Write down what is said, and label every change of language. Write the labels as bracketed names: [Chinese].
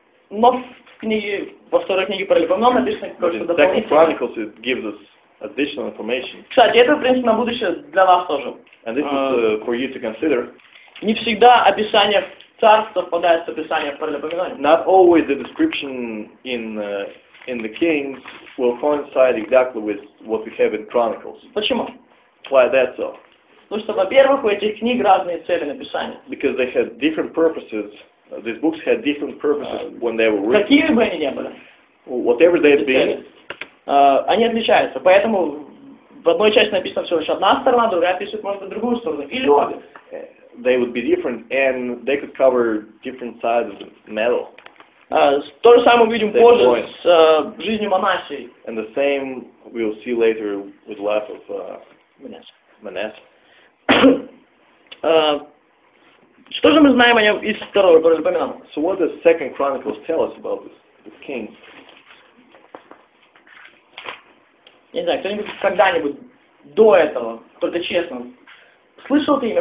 [Russian] Но в книге, во второй книге Паралипоменон написано какое-то дополнительное. [English] Second Chronicles, it gives us additional information. [Russian] Кстати, это, в принципе, на будущее для вас тоже. [English] And this is for you to consider. [Russian] Не всегда описание царств совпадает с описанием Паралипоменона. [English] Not always the description in the Kings will coincide exactly with what we have in Chronicles. [Russian] Почему? [English] Why is that so? [Russian] Потому что, во-первых, у этих книг разные цели написания. [English] Because they had different purposes. These books had different purposes when they were written. [Russian] Какими бы они ни были. [English] Whatever they had been. [Russian] Они отличаются. Поэтому в одной части написано всего лишь одна сторона, в другой описывает, может быть, другую сторону. Или обе. [English] They would be different and they could cover different sides of the metal. [Russian] То же самое увидим позже с жизнью Манассии. [English] And the same we'll see later with life of Manasseh. [Russian] Что же мы знаем о нем из второго Паралипоменона? [English] So what does Second Chronicles tell us about this king? [Russian] Не знаю, кто-нибудь когда-нибудь до этого, только честно, слышал это имя?